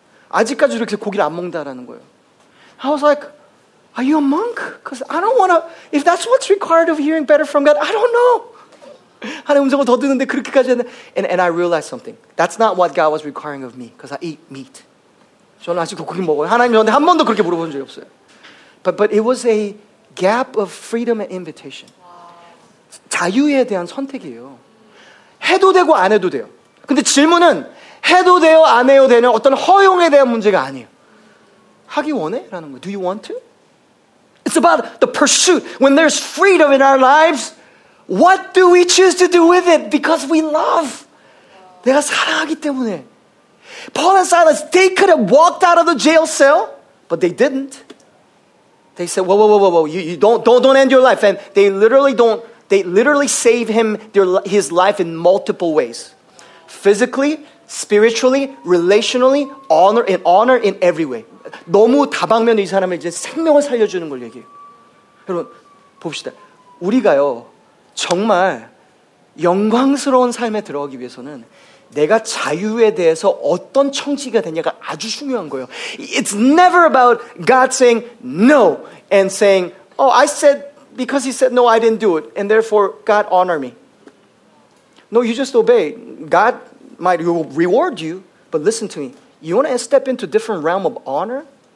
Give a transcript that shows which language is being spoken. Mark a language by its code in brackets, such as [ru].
[ko] 아직까지 이렇게 고기를 안 먹는다라는 거예요. [en] I was like, are you a monk? Because I don't want to, if that's what's required of hearing better from God, I don't know. [ko] 하나님 음성을 더 듣는데 그렇게까지 했네. [en] And I realized something. That's not what God was requiring of me. Because I eat meat. [ko] 저는 아직도 고기 먹어요. 하나님 저한테 한 번도 그렇게 물어본 적이 없어요. [en] But it was a gap of freedom and invitation. [ko] 자유에 대한 선택이에요. 해도 되고 안 해도 돼요. 근데 질문은 해도 돼요, 안 해도 되는 어떤 허용에 대한 문제가 아니에요. 하기 원해? 라는 거예요. [en] Do you want to? It's about the pursuit. When there's freedom in our lives, what do we choose to do with it? Because we love. [ko] 내가 사랑하기 때문에. [en] Paul and Silas, they could have walked out of the jail cell, but they didn't. They said, whoa, whoa, whoa, whoa, whoa. You don't end your life. And they literally don't, they literally save him, his life in multiple ways. Physically, spiritually, relationally, honor in every way. [ko] 너무 다방면으로 이 사람을 이제 생명을 살려주는 걸 얘기해요. 여러분, 봅시다. 우리가요, 정말 영광스러운 삶에 들어가기 위해서는 내가 자유에 대해서 어떤 청지가 되냐가 아주 중요한 거예요. [en] It's never about God saying no and saying, oh, I said, because he said no, I didn't do it. And therefore, God honor me. No, you just obey. God might reward you, but listen to me. You want to step into a different realm of honor?